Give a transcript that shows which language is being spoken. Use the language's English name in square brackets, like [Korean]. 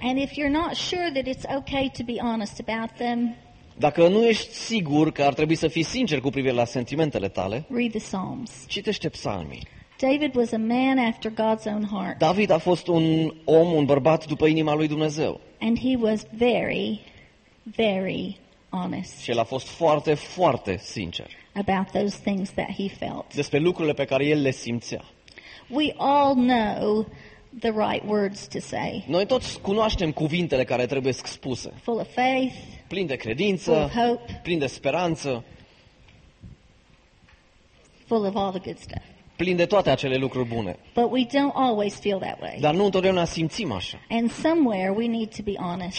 [English] And if you're not sure that it's okay to be honest about them. [Romanian] Dacă nu ești sigur că ar trebui să fii sincer cu privire la sentimentele tale. [English] Read the Psalms. [Romanian] Citește Psalmii. [English] David was a man after God's own heart. [Romanian] David a fost un om, un bărbat după inima lui Dumnezeu. [English] And he was very, very honest. [Romanian] Și el a fost foarte, foarte sincer. [English] About those things that he felt. [Romanian] Despre lucrurile pe care el le simțea. [English] We all know the right words to say. [Romanian] Noi toți cunoaștem cuvintele care trebuie spuse. [English] Full of faith. [Romanian] Plin de credință. [English] Full of hope. [Romanian] Plin de speranță. [English] Full of all the good stuff. [Romanian] Plin de toate acele lucruri bune. [English] But we don't always feel that way. [Romanian] Dar nu întotdeauna simțim așa. [English] And somewhere we need to be honest.